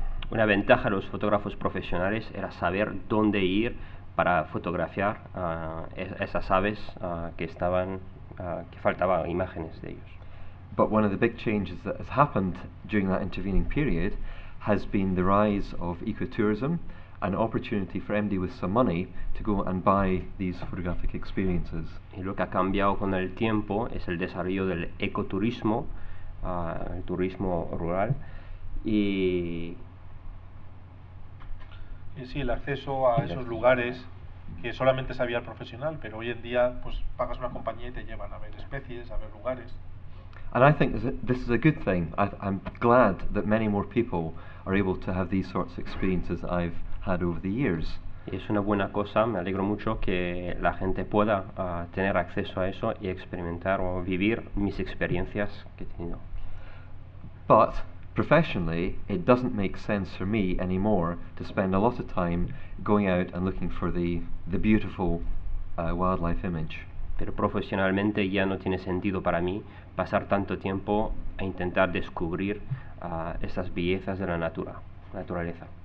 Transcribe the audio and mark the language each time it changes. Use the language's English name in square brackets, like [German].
[Spanish] Una ventaja de los fotógrafos profesionales era saber dónde ir para fotografiar esas aves que estaban, que faltaban imágenes de ellos. [English] But one of the big changes that has happened during that intervening period has been the rise of ecotourism, an opportunity for MD with some money to go and buy these photographic experiences. [Spanish] Y lo que ha cambiado con el tiempo es el desarrollo del ecoturismo, el turismo rural, y sí, el acceso a esos lugares que solamente sabía el profesional, pero hoy en día pues pagas una compañía y te llevan a ver especies, a ver lugares. [English] And I think this is a good thing. I'm glad that many more people are able to have these sorts of experiences that I've had over the years. [Spanish] Es una buena cosa, me alegro mucho que la gente pueda tener acceso a eso y experimentar o vivir mis experiencias que he tenido. [English] But professionally, it doesn't make sense for me anymore to spend a lot of time going out and looking for the beautiful wildlife image. [Spanish] Pero profesionalmente ya no tiene sentido para mí pasar tanto tiempo a intentar descubrir esas bellezas de la naturaleza.